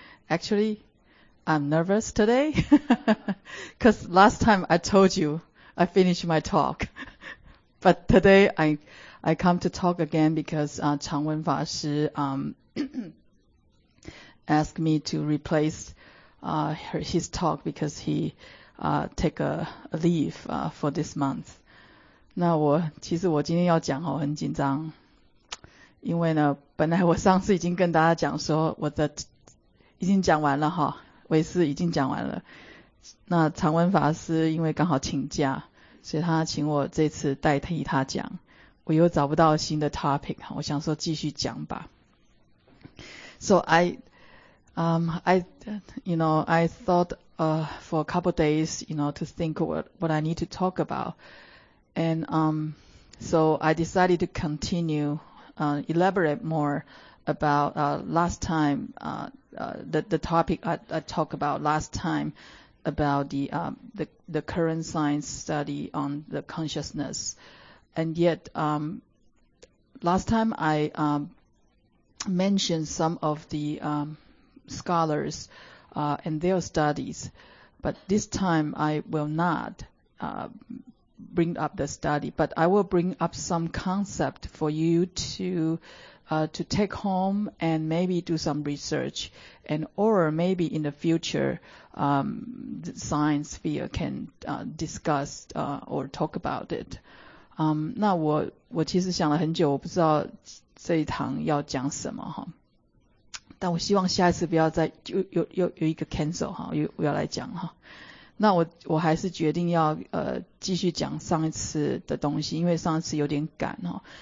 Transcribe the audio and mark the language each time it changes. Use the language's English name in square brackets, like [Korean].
[English] Actually, I'm nervous today because last time I told you I finished my talk. But today I come to talk again because 常文法师asked me to replace his talk because he take a leave for this month. [Chinese] 那我其实我今天要讲哦，很紧张。因为呢，本来我上次已经跟大家讲说我的已经讲完了哈，维斯已经讲完了。那常文法师因为刚好请假，所以他请我这次代替他讲。我又找不到新的 topic， 我想说继续讲吧。 [English] So I thought for a couple of days, you know, to think what I need to talk about, and so I decided to continue. Elaborate more about last time, the topic I talked about last time about the current science study on the consciousness. And yet, last time I mentioned some of the scholars and their studies, but this time I will not bring up the study, but I will bring up some concept for you to take home and maybe do some research, and or maybe in the future, the science field can discuss or talk about it. [Chinese] 那我其实想了很久，我不知道这一堂要讲什么哈。但我希望下一次不要再有一个 cancel 哈，又要来讲哈。那我还是决定要继续讲上一次的东西，因为上一次有点赶哦。